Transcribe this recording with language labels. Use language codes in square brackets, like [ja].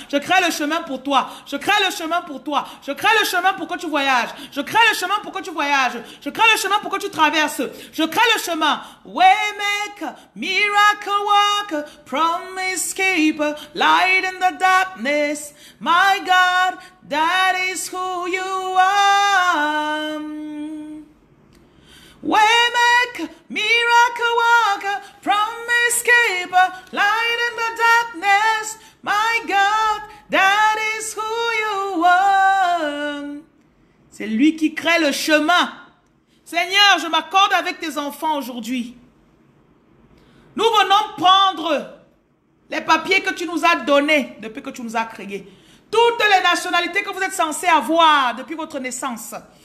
[fr] Je crée le chemin pour toi. Je crée le chemin pour toi. Je crée le chemin pour que tu voyages. Je crée le chemin pour que tu voyages. Je crée le chemin pour que tu traverses. Je crée le chemin. [en] Waymaker, miracle worker, promise keeper, light in the darkness. My God, that is who you are. Waymaker, miracle worker, promise keeper, light in the darkness. My God, that is who you are. [fr] C'est lui qui crée le chemin. Seigneur, je m'accorde avec tes enfants aujourd'hui. Nous venons prendre les papiers que tu nous as donnés depuis que tu nous as créés. Toutes les nationalités que vous êtes censés avoir depuis votre naissance.